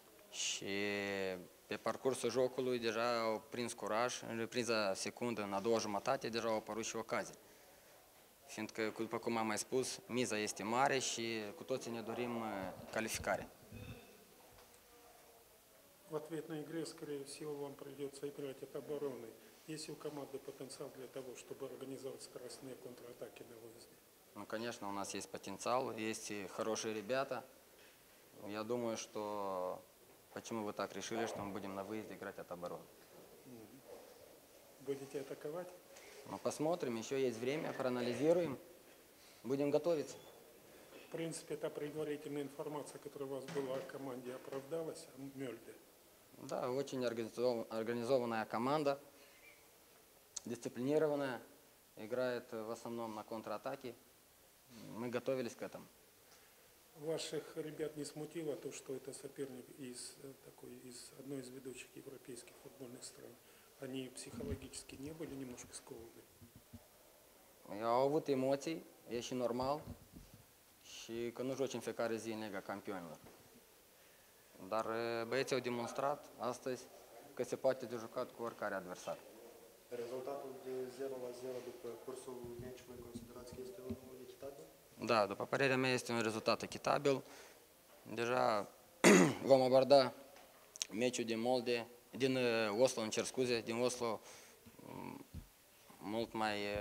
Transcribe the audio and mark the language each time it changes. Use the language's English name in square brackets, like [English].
[Romanian] Și pe parcursul jocului deja au prins curaj. În repriza secundă, în a doua jumătate, deja au apărut și ocazii. Fiindcă, după cum am mai spus, miza este mare și cu toții ne dorim calificare. [Russian] В ответной игре, скорее всего, вам придется играть от обороны. Есть у команды потенциал для того, чтобы организовать скоростные контратаки на выезде? Ну, конечно, у нас есть потенциал, есть и хорошие ребята. Я думаю, что почему вы так решили, что мы будем на выезде играть от обороны? Будете атаковать? Ну, посмотрим, еще есть время, проанализируем, будем готовиться. В принципе, та предварительная информация, которая у вас была о команде, оправдалась, о Мёльде? Да, очень организованная команда, дисциплинированная, играет в основном на контратаке. Мы готовились к этому. Ваших ребят не смутило то, что это соперник из одной из ведущих европейских футбольных стран? Они психологически не были немножко скованы? Я увидел эмоции, я еще нормал. [Romanian] Și că nu joci în fiecare zi în Liga Campionilor. Dar băieții au demonstrat astăzi că se poate de jucat cu oricare adversar. Rezultatul de 0-0 după cursul meciului, considerați că este unul echitabil? Da, după părerea mea este un rezultat echitabil. Deja vom aborda meciul din Molde, din Oslo, îmi cer scuze, din Oslo mult mai...